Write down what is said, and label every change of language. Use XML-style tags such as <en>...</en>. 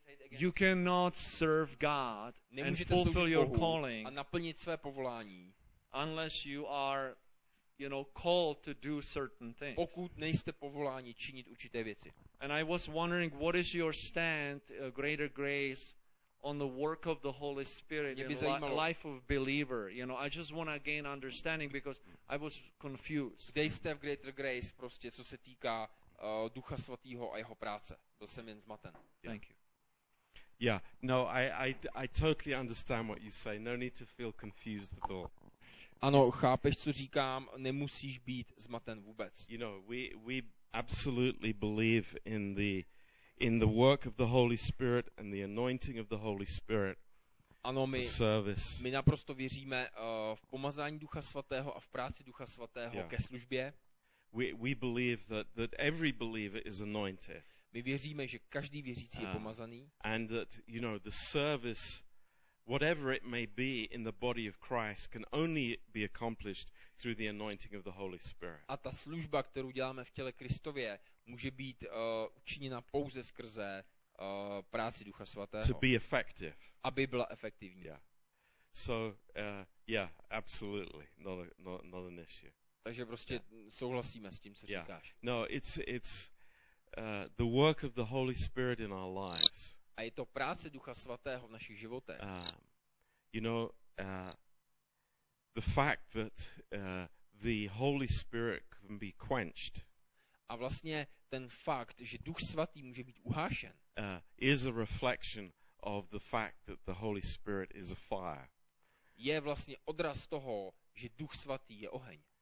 <en>you cannot serve God and fulfill your calling</en> <cs>a naplnit své povolání,</cs> <en>unless you are, you know, called to do certain things.</en> <cs>Pokud nejste povoláni činit určité věci.</cs> <en>And I was wondering, what is your stand, greater grace, on the work of the Holy Spirit in the life of believer? You know, I just want to gain understanding because I was confused.</en> <cs>Kde jste v greater grace, prostě, co se týká Ducha Svatého a jeho práce? Byl jsem jen zmaten.</cs> <en>Yeah. Thank you. Yeah, no, I totally understand what you say. No need to feel confused at all.</en> <cs>Ano, chápeš, co říkám, nemusíš být zmaten vůbec.</cs> <en>You know, we absolutely believe in the work of the Holy Spirit and the anointing of the Holy Spirit.</en> <cs>Ano, my naprosto věříme v pomazání Ducha Svatého a v práci Ducha Svatého ke službě.</cs> <en>We believe that every believer is anointed.</en> <cs>My věříme, že každý věřící je pomazaný.</cs> <en>And that, you know, the service, whatever it may be in the body of Christ, can only be accomplished through the anointing of the Holy Spirit.</en> <cs>A ta služba, kterou děláme v těle Kristově, může být učiněna pouze skrze práci Ducha Svatého.</cs> <en>To be effective.</en> <cs>Aby byla efektivní.</cs> <en>Yeah. So, yeah, absolutely, not an issue.</en> <cs>Takže prostě souhlasíme s tím, co říkáš.</cs> <en>No, it's the work of the Holy Spirit in our lives.</en> <cs>A je to práce Ducha Svatého v našich životech.</cs> <en>You know, the fact that the Holy Spirit can be quenched.</en> <cs>A vlastně ten fakt, že Duch Svatý může být uhášen.</cs> <en>Is a reflection of the fact that the Holy Spirit is a fire.</en> <cs>Je vlastně odraz toho, že Duch Svatý je oheň.</cs>